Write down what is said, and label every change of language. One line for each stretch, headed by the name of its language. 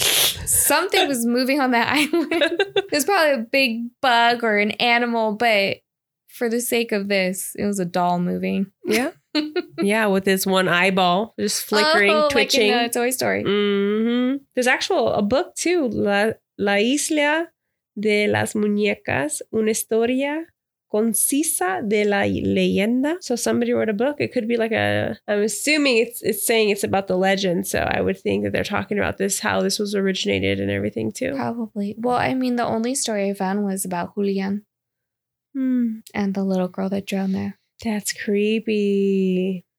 English: Something was moving on that island. It was probably a big bug or an animal. But for the sake of this, it was a doll moving. Yeah. Yeah, with this one eyeball just flickering, oh, twitching. Like in a Toy Story. Mm-hmm. There's actual a book, too.
Spanish: La Isla de las Muñecas, una historia concisa de la leyenda.
English: So somebody wrote a book. It could be like a, I'm assuming it's saying it's about the legend. So I would think that they're talking about this, how this was originated and everything too. Probably. Well, I mean, the only story I found was about Julian and the little girl that drowned there. That's creepy.